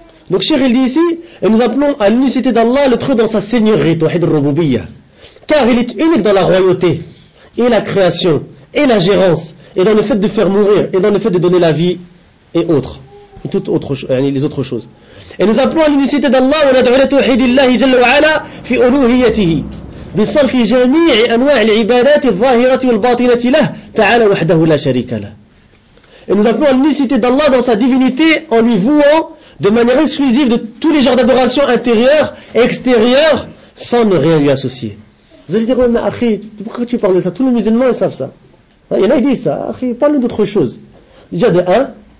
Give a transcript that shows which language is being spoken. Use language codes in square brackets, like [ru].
[fr] Donc, cher, il dit ici, et nous appelons à l'unicité d'Allah le trouver dans sa seigneurie, tawhid al-rububiyya. Car il est unique dans la royauté, et la création, et la gérance, et dans le fait de faire mourir, et dans le fait de donner la vie, et autres. Et toutes les autres choses. Et nous appelons à l'unicité d'Allah, et nous appelons à tawhid Allah, jalla wa ala, fi uluhiyatihi. [ar] بصرف جميع أنواع العبادات الظاهرة والباطنة له تعالى وحده لا شريك له. [fr] Et nous appelons à l'unicité d'Allah dans sa divinité en lui vouant de manière exclusive de tous les genres d'adoration intérieure et extérieure sans ne rien lui associer. Vous allez dire, mais Akhi, pourquoi tu parles de ça? Tous les musulmans savent ça. Il y en a qui disent ça. Akhi, parle d'autre chose. Déjà de 1,